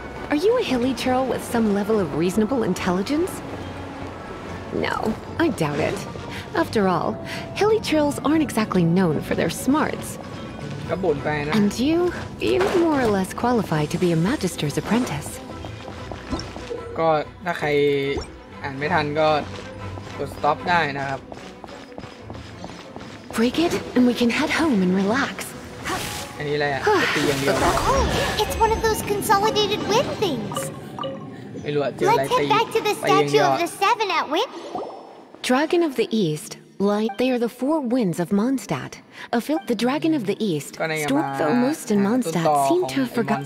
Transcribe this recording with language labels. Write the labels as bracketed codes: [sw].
[en] Are you a hilly churl with some level of reasonable intelligence? No, I doubt it. After all, hilly churls aren't exactly known for their smarts. And you, you're more or less qualified to be a magister's apprentice. [th] ก็ถ้าใครอ่านไม่ทันก็กด stop ได้นะครับ [en] Break it, and we can head home and relax. [th] อันนี้อะไรอ่ะตีอย่างเดียว [en] Oh, it's one of those consolidated wind things. [th] ไม่รู้อ่ะเจออะไร ตี [en] Let's head back to the statue of the seven at wind. Dragon of the East. Light, they are the four winds of Mondstadt. The dragon of the east, stork the most in Mondstadt, seemed to have forgotten.